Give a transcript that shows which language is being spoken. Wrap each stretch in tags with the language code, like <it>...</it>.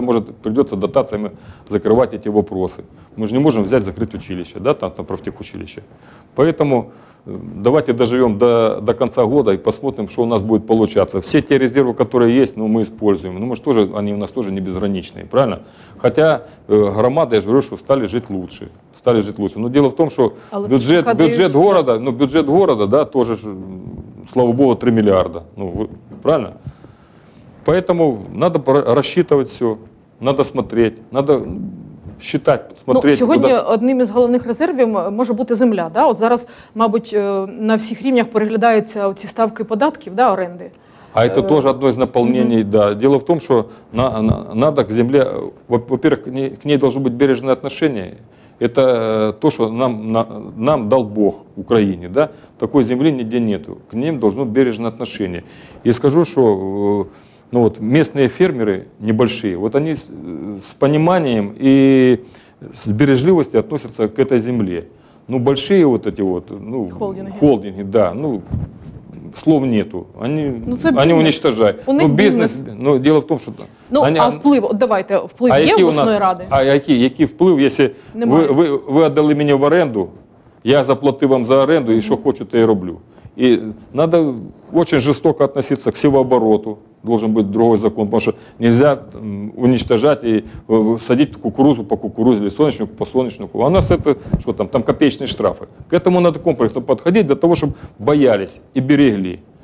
<uk>Да, може, прийдеться дотаціями закривати ті питання. Ми ж не можемо взяти закрити училище, да? там профтехучилище. Поэтому давайте доживемо до кінця року і посмотримо, що у нас буде виходити. Всі ті резерви, які є, ну, ми використовуємо. Ну, ми ж теж, вони у нас теж не безгранічні, правильно? Хоча громади, я ж говорю, що стали жити краще.</uk> <ru>Стали жить лучше. Но дело в том, что бюджет города, ну, бюджет города, да, тоже, слава богу, 3 миллиарда. Ну, правильно? Поэтому надо рассчитывать все, надо смотреть, надо считать, смотреть.</ru> <uk>Ну, сьогодні одним із головних резервів може бути земля. Да? От зараз, мабуть, на всіх рівнях переглядаються ці ставки податків, да, оренди.</uk> <ru>А это тоже одно из наполнений, да. Дело в том, что надо к земле, во-первых, к ней должно быть бережное отношение. Это то, что нам дал Бог Украине, да? Такой земли нигде нету. К ним должно быть бережное отношение. И скажу, что Ну вот местные фермеры небольшие, вот они с пониманием и с бережливостью относятся к этой земле. Ну большие вот эти вот, ну, холдинги, да, ну слов нету, они уничтожают. У них бизнес. Ну дело в том, что... Ну они,</ru> <uk>а вплив, давайте, вплив є в обласної ради? А який вплив, якщо ви віддали мені в оренду, я заплатив вам за оренду, і що хочу, то я роблю.</uk> <ru>И надо очень жестоко относиться к севообороту, должен быть другой закон, потому что нельзя уничтожать и садить кукурузу по кукурузе или солнечнику по солнечнику. А у нас это, что там, копеечные штрафы. К этому надо комплексно подходить для того, чтобы боялись и берегли.</ru>